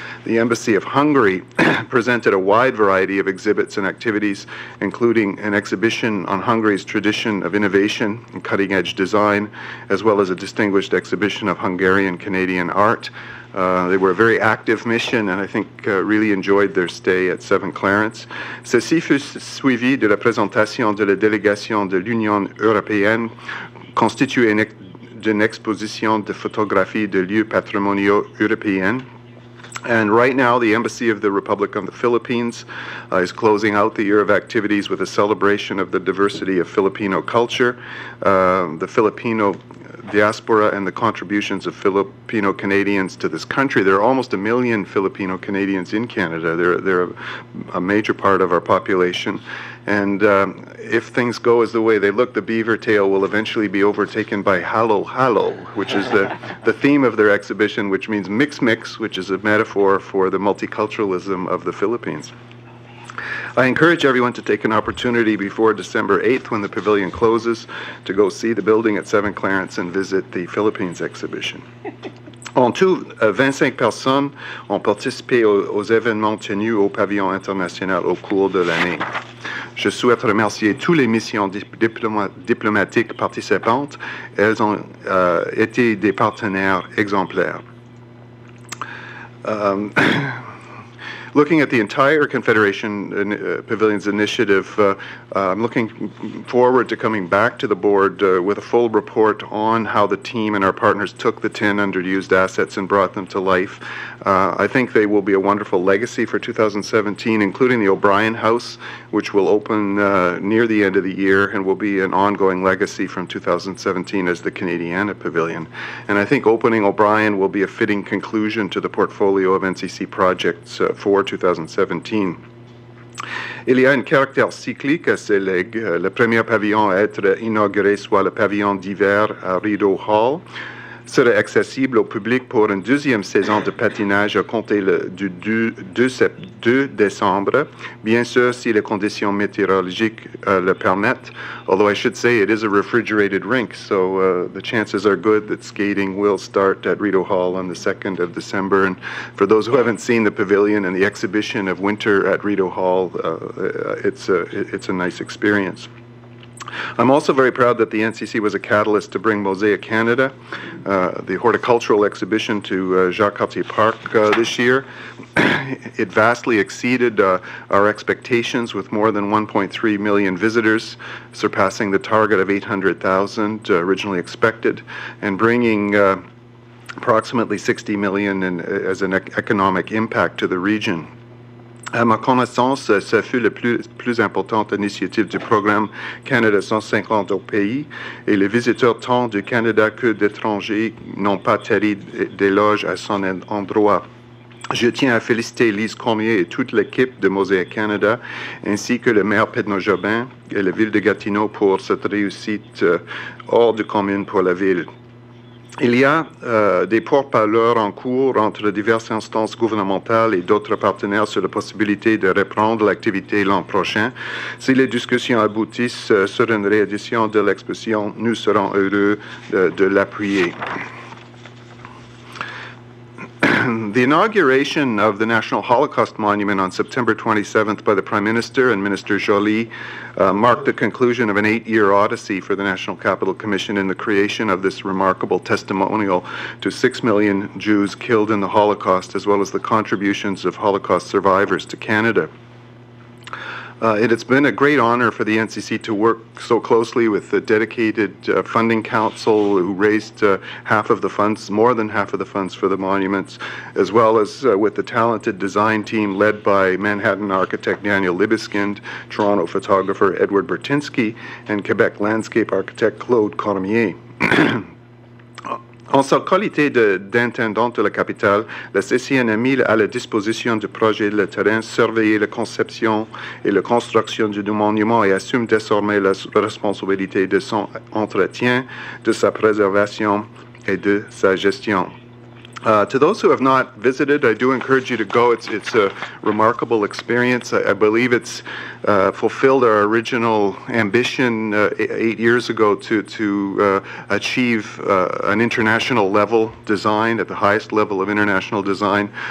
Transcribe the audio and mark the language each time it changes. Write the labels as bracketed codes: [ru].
[en] The Embassy of Hungary presented a wide variety of exhibits and activities, including an exhibition on Hungary's tradition of innovation and cutting-edge design, as well as a distinguished exhibition of Hungarian-Canadian art. They were a very active mission, and I think really enjoyed their stay at 7 Clarence. [fr] Ceci fut suivi de la présentation de la délégation de l'Union européenne, constituée d'une exposition de photographie de lieux patrimoniaux européens. [en] And right now, the Embassy of the Republic of the Philippines is closing out the year of activities with a celebration of the diversity of Filipino culture, the Filipino diaspora, and the contributions of Filipino Canadians to this country. There are almost a million Filipino Canadians in Canada. They're a major part of our population. And if things go as the way they look, the beaver tail will eventually be overtaken by halo halo, which is the theme of their exhibition, which means mix mix, which is a metaphor for the multiculturalism of the Philippines. I encourage everyone to take an opportunity before December 8th, when the pavilion closes, to go see the building at 7 Clarence and visit the Philippines exhibition. [fr] En tout, 25 personnes ont participé aux événements tenus au pavillon international au cours de l'année. Je souhaite remercier toutes les missions diplomatiques participantes. Elles ont été des partenaires exemplaires. [en] Looking at the entire Confederation Pavilions Initiative, I'm looking forward to coming back to the board with a full report on how the team and our partners took the 10 underused assets and brought them to life. I think they will be a wonderful legacy for 2017, including the O'Brien House, which will open near the end of the year and will be an ongoing legacy from 2017 as the Canadiana Pavilion. And I think opening O'Brien will be a fitting conclusion to the portfolio of NCC projects for 2017. [fr] Il y a un caractère cyclique à ces legs. Le premier pavillon à être inauguré soit le pavillon d'hiver à Rideau Hall sera accessible au public pour une deuxième saison de patinage à compter du 2 décembre, bien sûr si les conditions météorologiques le permettent. [en] Although I should say it is a refrigerated rink, so the chances are good that skating will start at Rideau Hall on the 2nd of December. And for those who haven't seen the pavilion and the exhibition of winter at Rideau Hall, it's a nice experience. I'm also very proud that the NCC was a catalyst to bring Mosaic Canada, the horticultural exhibition, to Jacques Cartier Park this year. It vastly exceeded our expectations, with more than 1.3 million visitors, surpassing the target of 800,000 originally expected, and bringing approximately $60 million as an economic impact to the region. [fr] À ma connaissance, ce fut la plus importante initiative du programme Canada 150 au pays, et les visiteurs tant du Canada que d'étrangers n'ont pas tari d'éloge à son endroit. Je tiens à féliciter Lise Cormier et toute l'équipe de Mosaic Canada, ainsi que le maire Pedno Jobin et la ville de Gatineau pour cette réussite hors de commune pour la ville. Il y a des pourparlers en cours entre diverses instances gouvernementales et d'autres partenaires sur la possibilité de reprendre l'activité l'an prochain. Si les discussions aboutissent sur une réédition de l'exposition, nous serons heureux de l'appuyer. [en] The inauguration of the National Holocaust Monument on September 27th by the Prime Minister and Minister Joly marked the conclusion of an eight-year odyssey for the National Capital Commission in the creation of this remarkable testimonial to 6 million Jews killed in the Holocaust, as well as the contributions of Holocaust survivors to Canada. It has been a great honor for the NCC to work so closely with the dedicated funding council, who raised more than half of the funds for the monuments, as well as with the talented design team led by Manhattan architect Daniel Libeskind, Toronto photographer Edward Bertinsky, and Quebec landscape architect Claude Cormier. [fr] En sa qualité d'intendant de la capitale, la CCNM a la disposition du projet de terrain, surveiller la conception et la construction du monument et assume désormais la responsabilité de son entretien, de sa préservation et de sa gestion. [en] To those who have not visited, I do encourage you to go. It's a remarkable experience. I believe it's fulfilled our original ambition 8 years ago to achieve an international level design at the highest level of international design.